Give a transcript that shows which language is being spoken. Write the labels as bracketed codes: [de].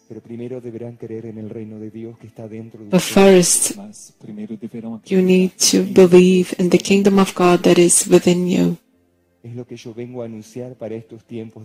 [es] Pero primero deberán creer en el reino de Dios que está dentro [en] de first, you need to believe in the kingdom of God that is within you. [es] Es lo que yo vengo a anunciar para estos tiempos